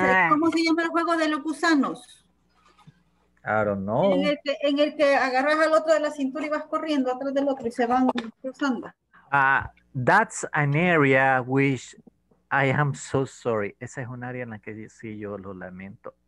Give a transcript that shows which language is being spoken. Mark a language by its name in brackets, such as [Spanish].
[Spanish] ¿Cómo se llama el juego de los gusanos? [English] I don't know. [Spanish] En el que agarras al otro de la cintura y vas corriendo atrás del otro y se van cruzando. [English] That's an area which I am so sorry. [Spanish] Esa es un área en la que sí yo lo lamento.